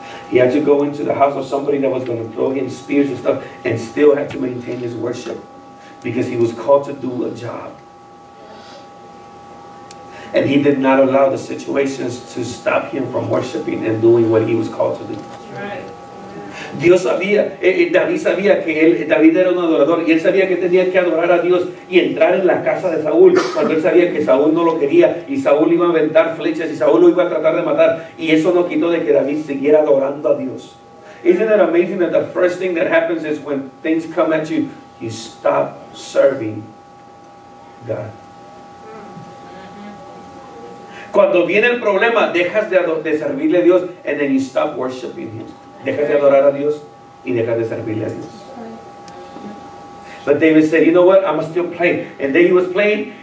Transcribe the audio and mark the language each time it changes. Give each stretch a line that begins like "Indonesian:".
English: He had to go into the house of somebody that was going to throw him spears and stuff and still had to maintain his worship because he was called to do a job. And he did not allow the situations to stop him from worshiping and doing what he was called to do.
Spanish: Dios sabía, David sabía que él, David era un adorador y él sabía que tenía que adorar a Dios y entrar en la casa de Saúl cuando él sabía que Saúl no lo quería y Saúl iba a aventar flechas y Saúl lo iba a tratar de matar y eso no quitó de que David siguiera adorando a Dios. Isn't it amazing that the first thing that happens is when things come at you, you stop serving God. Cuando viene el problema, dejas de servirle a Dios
English: and then you stop worshiping Him.
Spanish: Dejas de adorar a Dios y dejas de servirle a Dios.
English: But David said, you know what? I'm going to still play. And then he was playing.